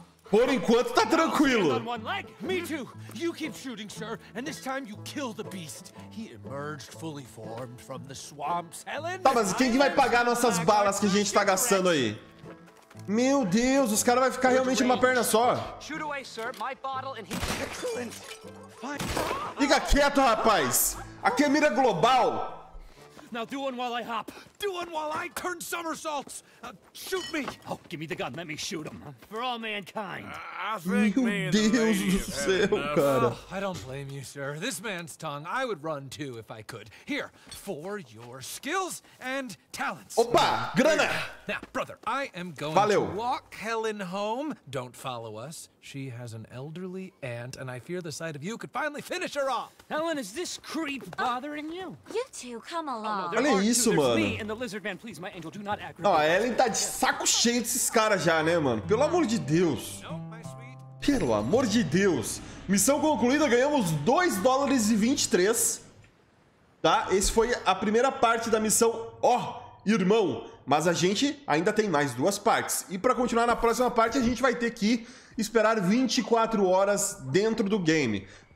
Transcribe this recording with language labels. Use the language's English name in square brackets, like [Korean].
[Portuguese] Por enquanto tá tranquilo. [English] Me too. You keep shooting, sir, and this time you kill the beast. He emerged fully formed from the swamps, Helen. [Portuguese] Tá, mas quem que vai pagar nossas balas que a gente tá gastando aí? Meu Deus, os caras vão ficar realmente uma perna só. [English] Shoot away, sir. My bottle and he's excellent. [Portuguese] Fica quieto, rapaz. Aqui é mira global. [English] Now do one while I hop. Do one while I turn somersaults. Shoot me. Oh, give me the gun. Let me shoot him. For all mankind. [Portuguese] Meu Deus do céu, cara. Oh, [English] I don't blame you, sir. This man's tongue, I would run too if I could. Here, for your skills and talents. [Portuguese] Opa, grana. [English] Now, brother, I am going to walk Helen home. Don't follow us. She has an elderly aunt, and I fear the sight of you could finally finish her off. Helen, is this creep bothering you? You two, come along. [Portuguese] Oh, no, olha isso, [English] two. [Portuguese] Mano. [English] Me and the lizard man, please, my angel, do not act. [Portuguese] Não, a Helen tá de saco cheio desses caras já, né, mano? Pelo amor de Deus. Pelo amor de Deus. Missão concluída, ganhamos $2.23. Tá? Esse foi a primeira parte da missão. Ó, oh, irmão. Mas a gente ainda tem mais duas partes. E pra continuar na próxima parte, a gente vai ter que esperar 24 horas dentro do game.